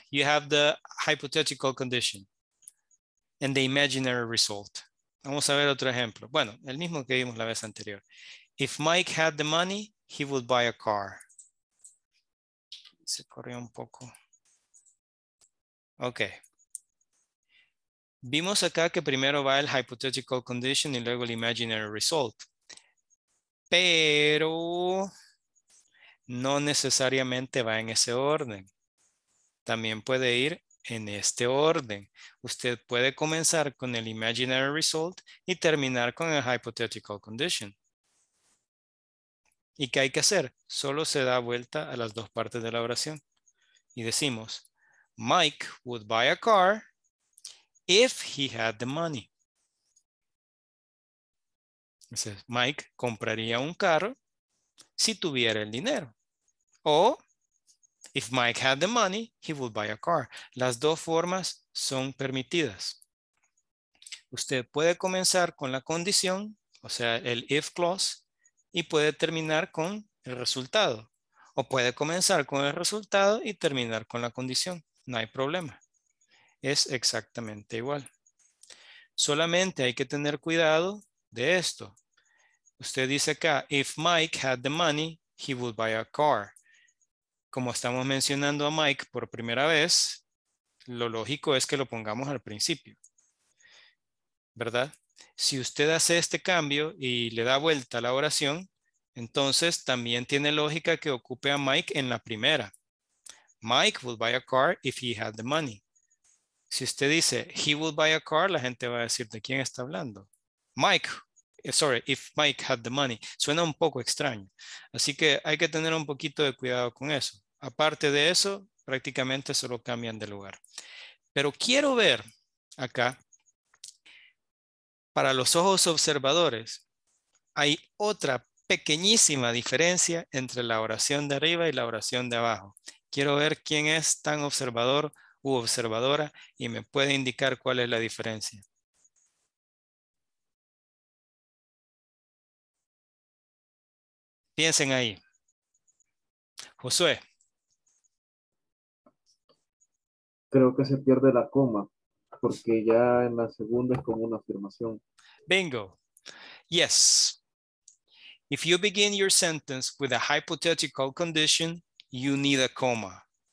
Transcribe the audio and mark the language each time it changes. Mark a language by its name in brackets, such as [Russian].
[English] You have the hypothetical condition and the imaginary result. [Spanish] Vamos a ver otro ejemplo. Bueno, el mismo que vimos la vez anterior. [English] If Mike had the money, he would buy a car. [Spanish] Se corrió un poco. Ok. Vimos acá que primero va el hypothetical condition y luego el imaginary result. Pero no necesariamente va en ese orden. También puede ir en este orden. Usted puede comenzar con el imaginary result y terminar con el hypothetical condition. ¿Y qué hay que hacer? Solo se da vuelta a las dos partes de la oración. Y decimos, [English] Mike would buy a car if he had the money. [Spanish] Entonces, Mike compraría un carro si tuviera el dinero. [English] O, if Mike had the money, he would buy a car. [Spanish] Las dos formas son permitidas. Usted puede comenzar con la condición o sea, el if clause, y puede terminar con el resultado. O puede comenzar con el resultado y terminar con la condición. No hay problema. Es exactamente igual. Solamente hay que tener cuidado de esto. Usted dice acá, [English] if Mike had the money, he would buy a car. [Spanish] Como estamos mencionando a Mike por primera vez, lo lógico es que lo pongamos al principio. ¿Verdad? Si usted hace este cambio y le da vuelta a la oración, entonces también tiene lógica que ocupe a Mike en la primera. [English] Mike would buy a car if he had the money. [Spanish] Si usted dice, [English] he would buy a car, [Spanish] la gente va a decir, ¿de quién está hablando? [English] Mike, sorry, if Mike had the money. [Spanish] Suena un poco extraño. Así que hay que tener un poquito de cuidado con eso. Aparte de eso, prácticamente solo cambian de lugar. Pero quiero ver acá, para los ojos observadores, hay otra pequeñísima diferencia entre la oración de arriba y la oración de abajo. Quiero ver quién es tan observador u observadora y me puede indicar cuál es la diferencia. Piensen ahí. Josué. Creo que se pierde la coma, porque ya en la segunda es como una afirmación. [English] Bingo. Yes. If you begin your sentence with a hypothetical condition, you need a comma.